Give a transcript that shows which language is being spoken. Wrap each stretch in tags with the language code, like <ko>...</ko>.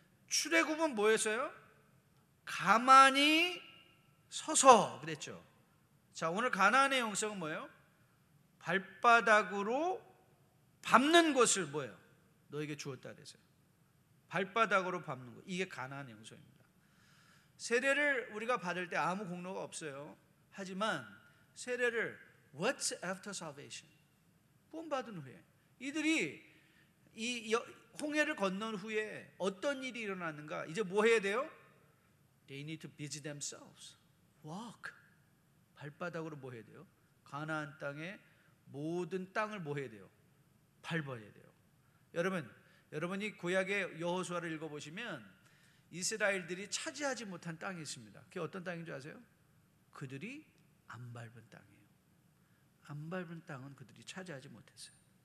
<ko>출애굽은 뭐였어요? 가만히 서서 그랬죠. 자, 오늘 가나안의 영성은 뭐예요? 발바닥으로 밟는 것을 뭐예요? 너에게 주었다 그랬어요. 발바닥으로 밟는 것, 이게 가나안의 영성입니다. 세례를 우리가 받을 때 아무 공로가 없어요. 하지만 세례를</ko> <en>What's after salvation?</en> <ko>구원 받은 후에 이들이 이 홍해를 건넌 후에 어떤 일이 일어났는가? 이제 뭐 해야 돼요?</ko> <en>They need to busy themselves. Walk.</en> <ko>발바닥으로 뭐 해야 돼요? 가나안 땅의 모든 땅을 뭐 해야 돼요? 밟아야 돼요. 여러분, 여러분이 구약의 여호수아를 읽어보시면 이스라엘들이 차지하지 못한 땅이 있습니다. 그게 어떤 땅인 줄 아세요? 그들이 안 밟은 땅이에요. 안 밟은 땅은 그들이 차지하지 못했어요.</ko>